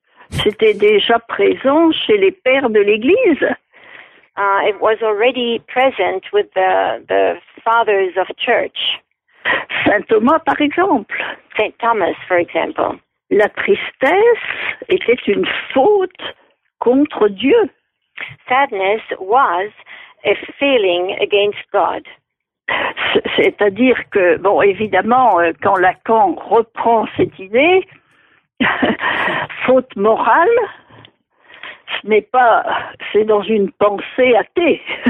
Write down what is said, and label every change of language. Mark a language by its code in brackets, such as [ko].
[fr] C'était déjà présent chez les pères de l'Église. [en] It was already present with the fathers of church. [fr] Saint Thomas, par exemple. [en] Saint Thomas, for example. [fr] La tristesse était une faute contre Dieu. [en] Sadness was a failing against God. [fr] C'est-à-dire que, bon, évidemment, quand Lacan reprend cette idée, faute morale, ce n'est pas, c'est dans une pensée athée.